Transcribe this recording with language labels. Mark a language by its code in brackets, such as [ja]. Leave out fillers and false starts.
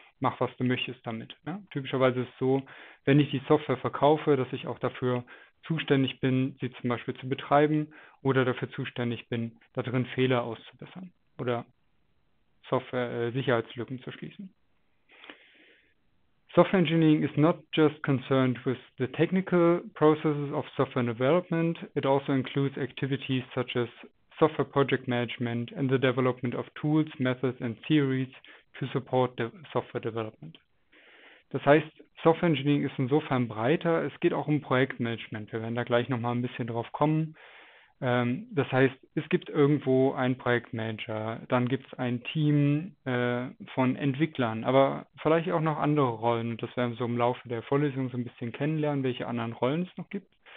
[de] Mach, was du möchtest damit. Ja, typischerweise ist es so, wenn ich die Software verkaufe, dass ich auch dafür zuständig bin, sie zum Beispiel zu betreiben oder dafür zuständig bin, darin Fehler auszubessern oder Sicherheitslücken zu schließen. [en] Software Engineering is not just concerned with the technical processes of software development. It also includes activities such as software project management and the development of tools, methods and theories to support the software development. [de] Das heißt, Software Engineering ist insofern breiter. Es geht auch um Projektmanagement. Wir werden da gleich nochmal ein bisschen drauf kommen. Das heißt, es gibt irgendwo einen Projektmanager, dann gibt es ein Team von Entwicklern, aber vielleicht auch noch andere Rollen. Das werden wir so im Laufe der Vorlesung so ein bisschen kennenlernen, welche anderen Rollen es noch gibt.